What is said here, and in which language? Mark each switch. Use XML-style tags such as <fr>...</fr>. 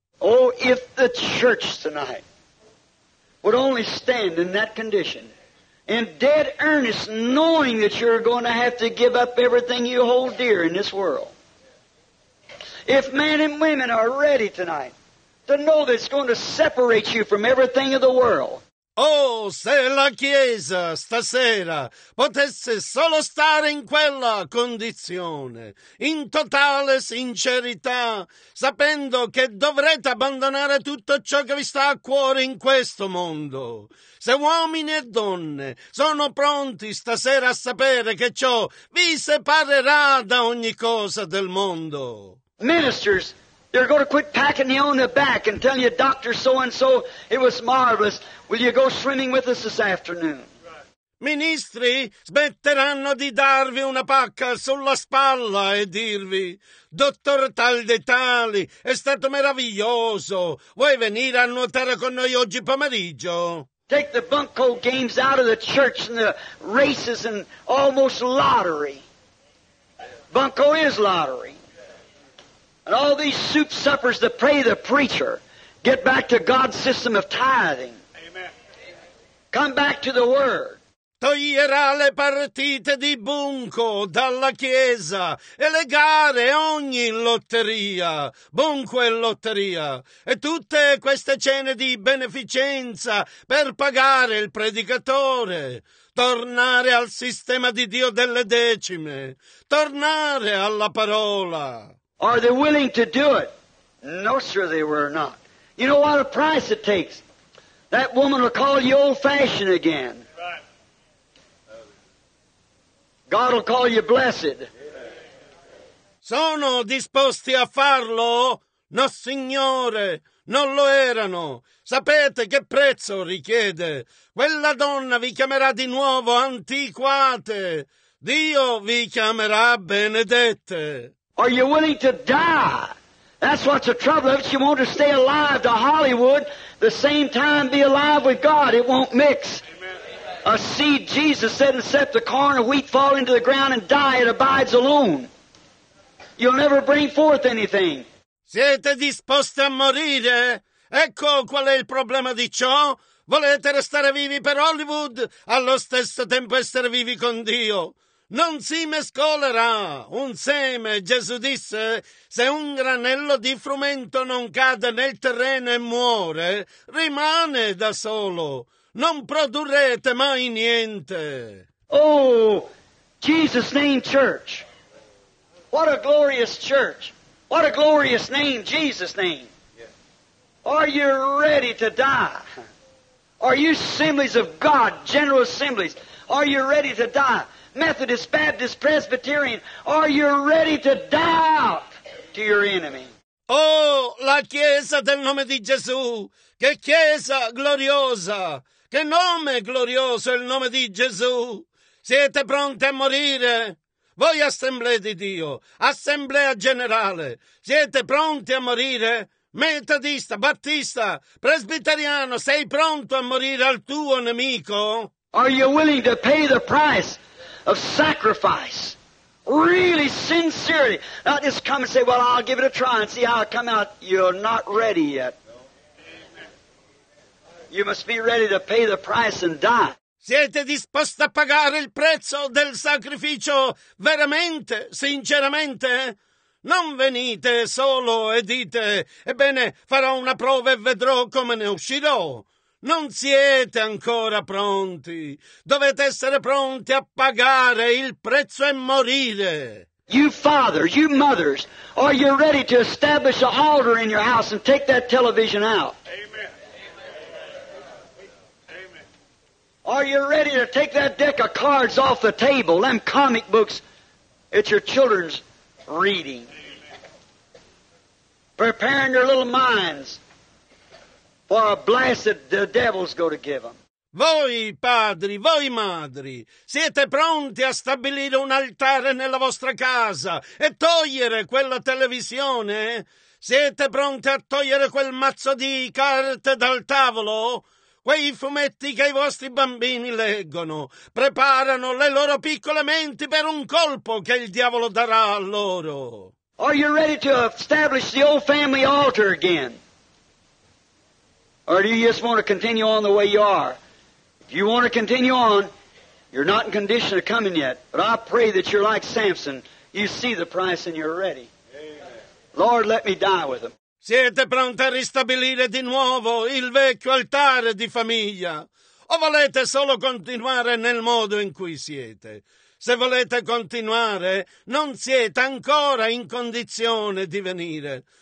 <en>Oh, if the church tonight would only stand in that condition, in dead earnest, knowing that you're going to have to give up everything you hold dear in this world. If men and women are ready tonight to know that it's going to separate you from everything of the world.</en> <it>Oh, se la Chiesa stasera potesse solo stare in quella condizione, in totale sincerità, sapendo che dovrete abbandonare tutto ciò che vi sta a cuore in questo mondo. Se uomini e donne sono pronti stasera a sapere che ciò vi separerà da ogni cosa del mondo.</it> <en>Ministers, they're going to quit packing you on the back and tell you, Dr. So-and-so, it was marvelous. Will you go swimming with us this afternoon?</en> <it>Ministri smetteranno di darvi una pacca sulla spalla e dirvi, dottor tal de tali, è stato meraviglioso. Vuoi venire a nuotare con noi oggi pomeriggio?</it> <en>Take the bunco games out of the church and the races and almost lottery. Bunco is lottery. And all these soup suppers that pray the preacher, get back to God's system of tithing. Amen. Come back to the Word.</en> <it>Toglierà le partite di bunco dalla chiesa e le gare ogni lotteria, bunco e lotteria, e tutte queste cene di beneficenza per pagare il predicatore. Tornare al sistema di Dio delle decime. Tornare alla parola.</it> <en>Are they willing to do it? No, sir, they were not. You know what a price it takes? That woman will call you old-fashioned again. God will call you blessed.</en> <it>Sono disposti a farlo? No, signore, non lo erano. Sapete che prezzo richiede? Quella donna vi chiamerà di nuovo antiquate. Dio vi chiamerà benedette.</it> <en>Are you willing to die? That's what's the trouble of it. You want to stay alive to Hollywood, the same time be alive with God. It won't mix. Amen. A seed, Jesus said, and set the corn of wheat fall into the ground and die. It abides alone. You'll never bring forth anything.</en> <it>Siete disposti a morire? Ecco qual è il problema di ciò. Volete restare vivi per Hollywood, allo stesso tempo essere vivi con Dio. Non si mescolerà un seme, Gesù disse, se un granello di frumento non cade nel terreno e muore, rimane da solo, non produrrete mai niente.</it> <en>Oh, Jesus' name church, what a glorious church, what a glorious name, Jesus' name. Are you ready to die? Are you assemblies of God, general assemblies, are you ready to die? Methodist, Baptist, Presbyterian, are you ready to die out to your enemy?</en> <it>Oh, la Chiesa del nome di Gesù, che Chiesa gloriosa, che nome glorioso il nome di Gesù. Siete pronti a morire? Voi assemblea di Dio, assemblea generale, siete pronti a morire? Metodista, Battista, Presbiteriano, sei pronto a morire al tuo nemico?</it> <en>Are you willing to pay the price of sacrifice, really sincerely? Not just come and say, well, I'll give it a try and see how it come out. You're not ready yet. You must be ready to pay the price and die.</en> <it>Siete disposti a pagare il prezzo del sacrificio veramente, sinceramente? Non venite solo e dite, ebbene, farò una prova e vedrò come ne uscirò. Non siete ancora pronti. Dovete essere pronti a pagare il prezzo e morire.</it> <en>You fathers, you mothers, are you ready to establish an altar in your house and take that television out? Amen. Are you ready to take that deck of cards off the table, them comic books? It's your children's reading. Preparing their little minds. For a blessed the devil's going to give them.</en> <it>Voi padri, voi madri, siete pronti a stabilire un altare nella vostra casa e togliere quella televisione? Siete pronti a togliere quel mazzo di carte dal tavolo? quei fumetti che i vostri bambini leggono, preparano le loro piccole menti per un colpo che il diavolo darà a loro.</it> <en>Are you ready to establish the old family altar again? Or do you just want to continue on the way you are? If you want to continue on, you're not in condition of coming yet. But I pray that you're like Samson. You see the price and you're ready. Amen. Lord, let me die with him.</en> <it>Siete pronti a ristabilire di nuovo il vecchio altare di famiglia? O volete solo continuare nel modo in cui siete? Se volete continuare, non siete ancora in condizione di venire.</it>